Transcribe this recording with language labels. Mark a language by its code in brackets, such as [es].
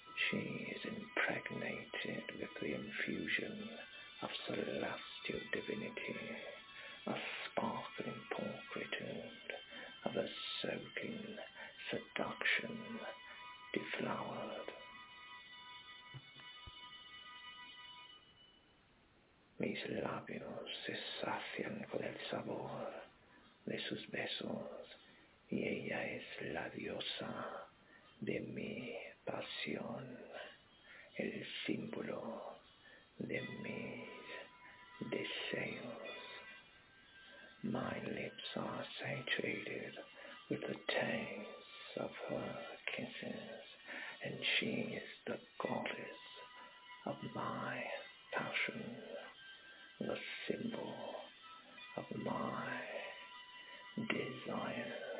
[en] She is impregnated with the infusion of celestial divinity, a sparkling pulchritude of a soaking seduction deflowered. [es] Mis labios se sacian con el sabor de sus besos, y ella es la diosa de mi pasión, el símbolo de mis deseos. [en] My lips are saturated with the taste of her kisses, and she is the goddess of my passion, the symbol of my desire.